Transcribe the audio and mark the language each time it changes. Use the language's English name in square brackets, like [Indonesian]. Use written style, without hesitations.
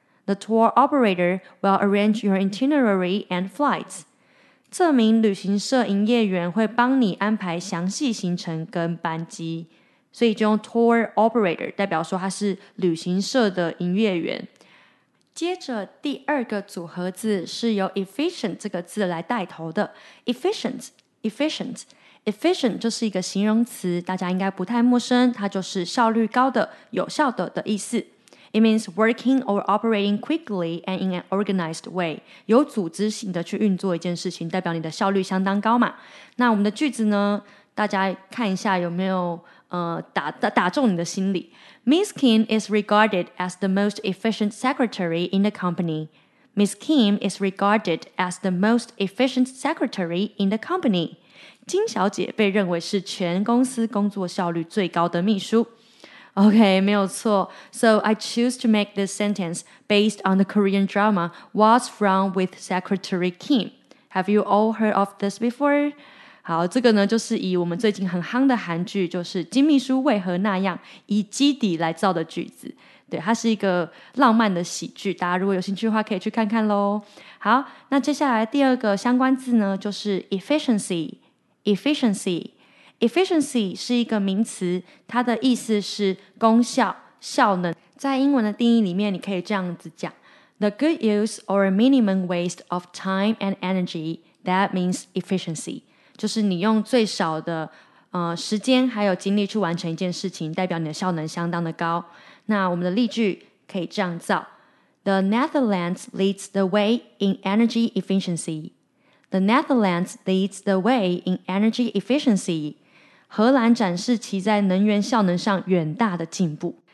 [English] The tour operator will arrange your itinerary and flights. [Chinese] 这名旅行社营业员会帮你安排详细行程跟班机。所以就用 tour operator 代表说他是旅行社的营业员。接着第二个组合字是由 efficient 这个字来带头的。 Efficient 就是一个形容词，大家应该不太陌生，它就是效率高的、有效的的意思。 [English] It means working or operating quickly and in an organized way. [Chinese] 有组织性的去运作一件事情，代表你的效率相当高嘛。那我们的句子呢，大家看一下有没有打中你的心理。 [English] Miss Kim is regarded as the most efficient secretary in the company. Miss Kim is regarded as the most efficient secretary in the company. [Chinese] 金小姐被认为是全公司工作效率最高的秘书。 OK, 没有错。 [English] So I choose to make this sentence based on the Korean drama What's Wrong with Secretary Kim? Have you all heard of this before? [Chinese] 好，这个呢就是以我们最近很夯的韩剧就是金秘书为何那样以基底来造的句子。对，它是一个浪漫的喜剧，大家如果有兴趣的话可以去看看咯。好，那接下来第二个相关字呢就是 efficiency。 Efficiency 是一个名词，它的意思是功效、效能。在英文的定义里面，你可以这样子讲 [English] The good use or minimum waste of time and energy, that means efficiency. [Chinese] 就是你用最少的时间还有精力去完成一件事情，代表你的效能相当的高。那我们的例句可以这样造 [English] The Netherlands leads the way in energy efficiency. The Netherlands leads the way in energy efficiency. [Chinese] 荷兰展示其在能源效能上远大的进步。